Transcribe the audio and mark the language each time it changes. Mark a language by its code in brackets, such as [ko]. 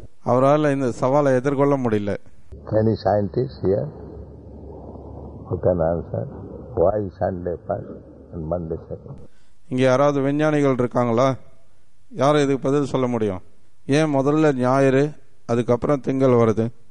[ta] அவரால் இந்த சவாலை எதிர்கொள்ள முடியல. [en] Any scientist here who can answer why Sunday first and Monday second? [ta] இங்க யாராவது விஞ்ஞானிகள் இருக்காங்களா? யாரும் இதுக்கு பதில் சொல்ல முடியும். ஏன் முதல்ல ஞாயிறு அதுக்கப்புறம் திங்கள் வருது?